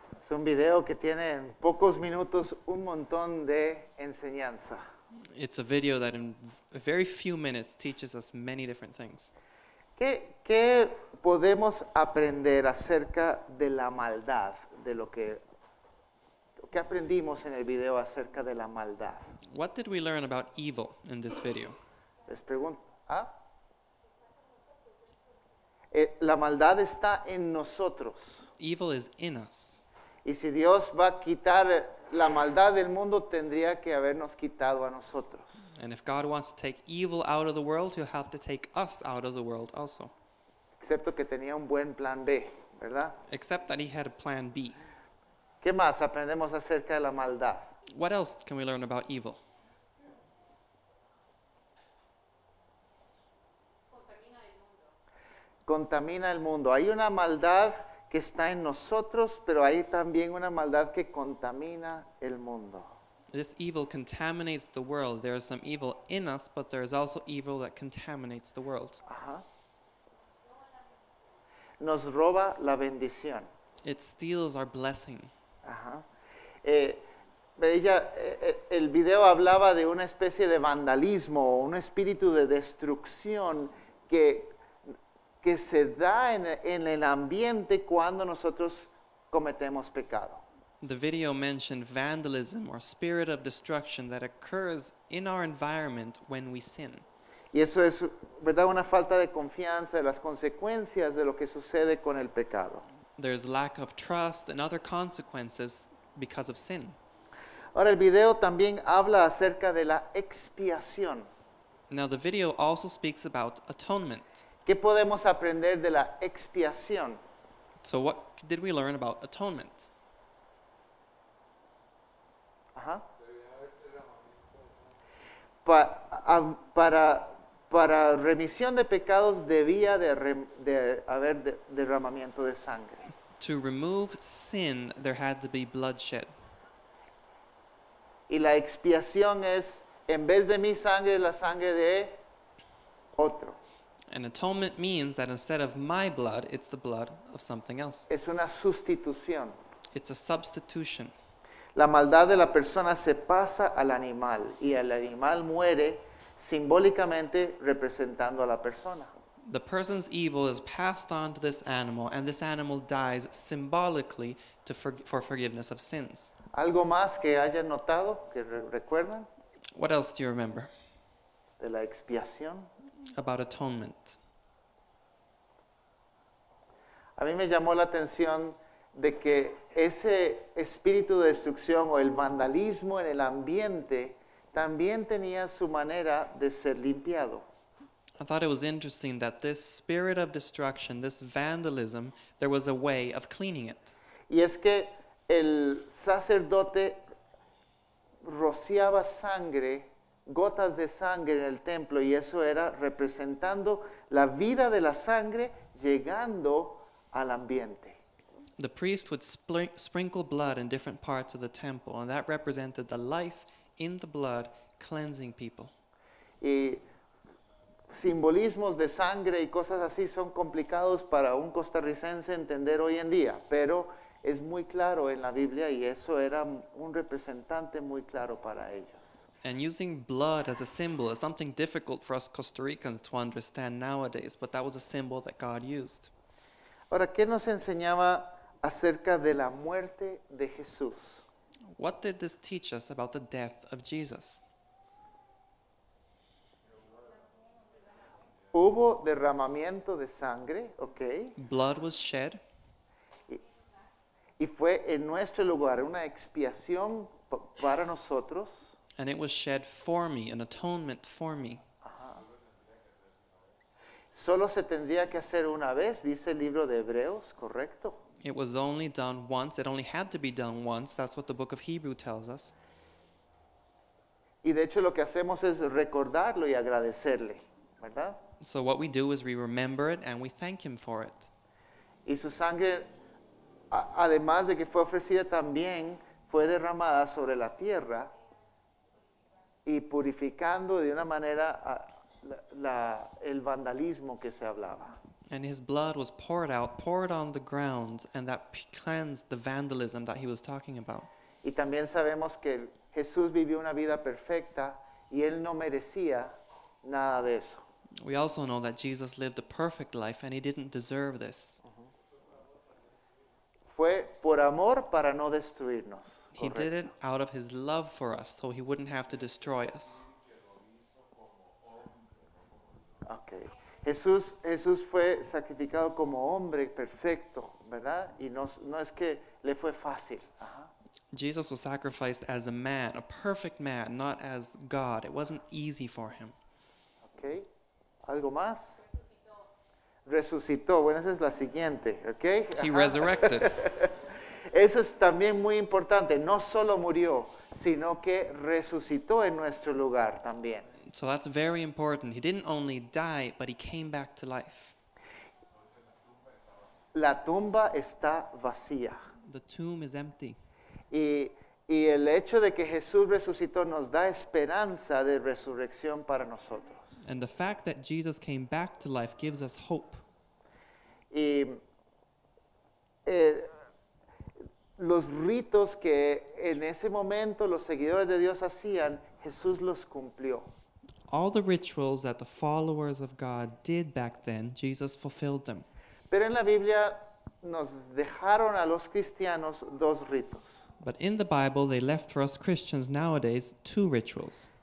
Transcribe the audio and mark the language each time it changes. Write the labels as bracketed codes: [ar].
[es] Un video que tiene en pocos minutos un montón de enseñanza. [en] It's a video that in a very few minutes teaches us many different things. [es] ¿Qué podemos aprender acerca de la maldad, de lo que aprendimos en el video acerca de la maldad? [en] What did we learn about evil in this video? [es] Les pregunto, ¿ah? La maldad está en nosotros. [en] Evil is in us. [es] Y si Dios va a quitar la maldad del mundo, tendría que habernos quitado a nosotros. [en] And if God wants to take evil out of the world, he'll have to take us out of the world also. [es] Excepto que tenía un buen plan B, ¿verdad? [en] Except that he had a plan B. [es] ¿Qué más aprendemos acerca de la maldad? [en] What else can we learn about evil? [es] Contamina el mundo. Hay una maldad que está en nosotros, pero hay también una maldad que contamina el mundo. [en] This evil contaminates the world. There is some evil in us, but there is also evil that contaminates the world. [es] Ajá. Nos roba la bendición. [en] It steals our blessing. [es] Ajá. El video hablaba de una especie de vandalismo, un espíritu de destrucción que se da en el ambiente cuando nosotros cometemos pecado. [en] The video mentioned vandalism or spirit of destruction that occurs in our environment when we sin. [es] Y eso es, ¿verdad?, una falta de confianza de las consecuencias de lo que sucede con el pecado. [en] there's lack of trust and other consequences because of sin. [es] Ahora el video también habla acerca de la expiación. [en] Now the video also speaks about atonement. [es] ¿Qué podemos aprender de la expiación? [en] So what did we learn about atonement? [es] Para remisión de pecados debía de haber derramamiento de sangre. [en] To remove sin, there had to be bloodshed. [es] Y la expiación es, en vez de mi sangre, la sangre de otro. [en] And atonement means that instead of my blood, it's the blood of something else. [es] Es una sustitución. [en] It's a substitution. [es] La maldad de la persona se pasa al animal, y el animal muere simbólicamente representando a la persona. [en] The person's evil is passed on to this animal, and this animal dies symbolically for forgiveness of sins. [es] ¿Algo más que hayan notado, que recuerdan? [en] What else do you remember? [es] De la expiación. [en] About atonement. [es] A mí me llamó la atención de que ese espíritu de destrucción o el vandalismo en el ambiente también tenía su manera de ser limpiado. [en] I thought it was interesting that this spirit of destruction, this vandalism, there was a way of cleaning it. [es] Y es que el sacerdote rociaba sangre, gotas de sangre en el templo, y eso era representando la vida de la sangre llegando al ambiente. [en] The priest would sprinkle blood in different parts of the temple, and that represented the life in the blood cleansing people. [es] Y simbolismos de sangre y cosas así son complicados para un costarricense entender hoy en día, pero es muy claro en la Biblia y eso era un representante muy claro para ellos. [en] And using blood as a symbol is something difficult for us Costa Ricans to understand nowadays, but that was a symbol that God used. [es] Ahora, ¿qué nos enseñaba acerca de la muerte de Jesús? [en] What did this teach us about the death of Jesus? [es] Hubo derramamiento de sangre, okay. [en] Blood was shed. [es] Y fue en nuestro lugar, una expiación para nosotros. [en] And it was shed for me, an atonement for me. [es] Solo se tendría que hacer una vez, dice el libro de Hebreos, correcto. [en] It was only done once, it only had to be done once, that's what the book of Hebrews tells us. [es] Y de hecho lo que hacemos es recordarlo y agradecerle, ¿verdad? [en] So what we do is we remember it and we thank him for it. [es] Y su sangre, además de que fue ofrecida, también fue derramada sobre la tierra y purificando de una manera el vandalismo que se hablaba. [en] And his blood was poured on the ground, and that cleansed the vandalism that he was talking about. [es] Y también sabemos que Jesús vivió una vida perfecta y él no merecía nada de eso. [en] We also know that Jesus lived a perfect life and he didn't deserve this. [es] Fue por amor para no destruirnos. Correcto. [en] He did it out of his love for us, so he wouldn't have to destroy us. [es] Okay. Jesús fue sacrificado como hombre perfecto, ¿verdad? Y no es que le fue fácil. [en] Jesus was sacrificed as a man, a perfect man, not as God. It wasn't easy for him. [es] Okay. ¿Algo más? Resucitó. Bueno, esa es la siguiente, ¿ok? [en] He resurrected. [es] Eso es también muy importante. No solo murió, sino que resucitó en nuestro lugar también. [en] So that's very important. He didn't only die, but he came back to life. [es] La tumba está vacía. [en] The tomb is empty. [es] Y el hecho de que Jesús resucitó nos da esperanza de resurrección para nosotros. [en] And the fact that Jesus came back to life gives us hope. [es] Y los ritos que en ese momento los seguidores de Dios hacían, Jesús los cumplió. [en] All the rituals that the followers of God did back then, Jesus fulfilled them. [es] Pero en la Biblia nos dejaron a los cristianos dos ritos. [en] But in the Bible, they left for us Christians nowadays two rituals.